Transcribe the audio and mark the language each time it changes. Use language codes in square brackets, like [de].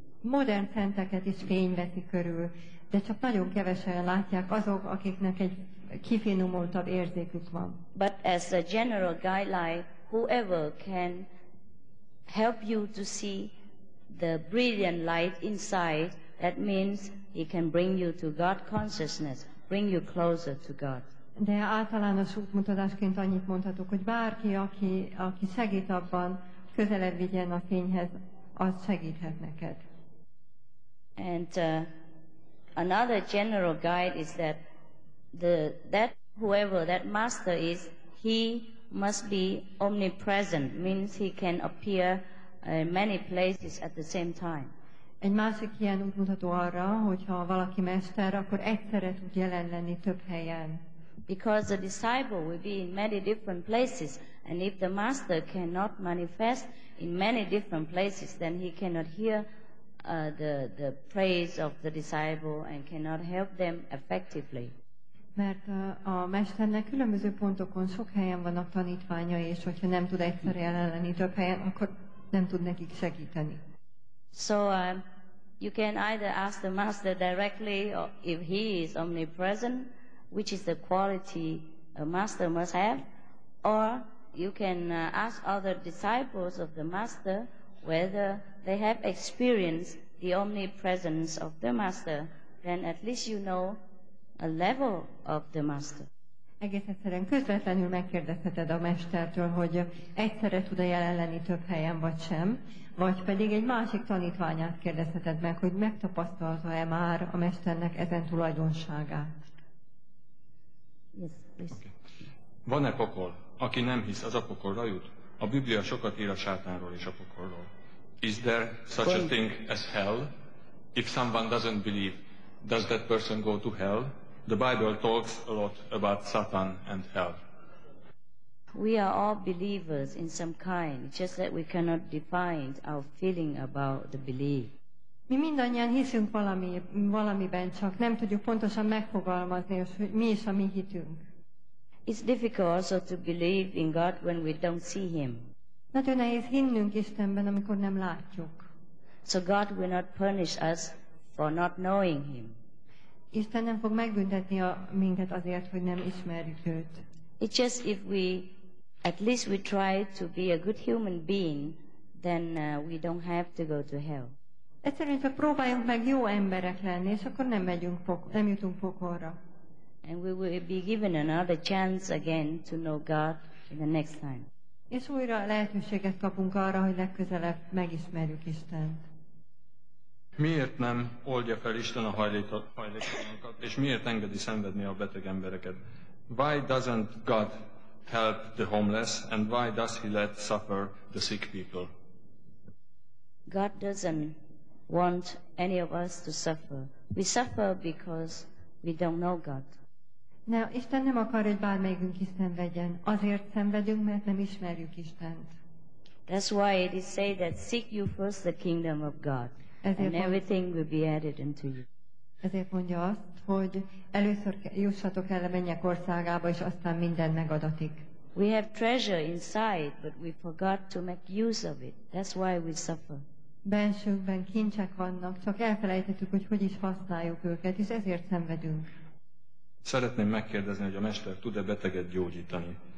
[hu] Modern szenteket is fény veti körül, de csak nagyon kevesen látják azok, akiknek egy kifinomultabb érzékük van. [en] But as a general guideline, whoever can help you to see the brilliant light inside, that means he can bring you to God consciousness, bring you closer to God. [hu] De általános útmutatásként annyit mondhatok, hogy bárki, aki segít abban, közelebb vigyen a fényhez, az segíthet neked. [en] And another general guide is that that whoever that master is, he must be omnipresent, means he can appear in many places at the same time. [hu] Egy másik ilyen útmutató arra, hogyha valaki mester, akkor egyszerre tud jelen lenni több helyen. [en] Because the disciple will be in many different places, and if the master cannot manifest in many different places, then he cannot hear the praise of the disciple and cannot help them effectively. [hu] Mert a mesternek különböző pontokon sok helyen vannak tanítványai, és hogyha nem tud egyszer jelen lenni több helyen, akkor nem tud nekik segíteni. [en] So you can either ask the master directly, or if he is omnipresent, which is the quality a master must have, or you can ask other disciples of the master whether they have experienced the omnipresence of the master, then at least you know a level of the master. [hu] Egész egyszerűen közvetlenül megkérdezheted a mestertől, hogy egyszerre tud-e jelen lenni több helyen vagy sem, vagy pedig egy másik tanítványát kérdezheted meg, hogy megtapasztalta-e már a mesternek ezen tulajdonságát. [en] Yes, please. [hu] Van-e pokol? Aki nem hisz, az a pokolra jut? A Biblia sokat ír a sátánról és a pokolról. [en] Is there such a thing as hell? If someone doesn't believe, does that person go to hell? The Bible talks a lot about Satan and hell. We are all believers in some kind, just that we cannot define our feeling about the belief. [hu] Mi mindannyian hiszünk valamiben, csak nem tudjuk pontosan megfogalmazni, hogy mi is a mi hitünk. [en] It's difficult also to believe in God when we don't see Him. [hu] Nagyon nehéz hinnünk Istenben, amikor nem látjuk. [en] So God will not punish us for not knowing Him. [hu] Isten nem fog megbüntetni minket azért, hogy nem ismerjük őt. [en] It's just if we, at least we try to be a good human being, then we don't have to go to hell. [hu] Egyszerűen csak próbáljunk meg jó emberek lenni, és akkor nem jutunk pokolra. [en] And we will be given another chance again to know God in the next time. [hu] És újra lehetőséget kapunk arra, hogy legközelebb megismerjük Istent. Miért nem oldja fel Isten a hajléktalanokat, és miért engedi szenvedni a beteg embereket? [en] Why doesn't God help the homeless, and why does He let suffer the sick people? God doesn't want any of us to suffer. We suffer because we don't know God. [hu] Now, Isten nem akar, hogy bármelyikünk is szenvedjen. Azért szenvedünk, mert nem ismerjük Istent. [en] That's why it is said that seek you first the kingdom of God. [hu] Ezért [en] and everything will be added unto you. [hu] Ezért mondja azt, hogy először jussatok el a mennyek országába, és aztán minden megadatik. [en] We have treasure inside, but we forgot to make use of it. That's why we suffer. [hu] Bensőkben kincsek vannak, csak elfelejtettük, hogy is használjuk őket, és ezért szenvedünk. Szeretném megkérdezni, hogy a mester tud-e beteget gyógyítani.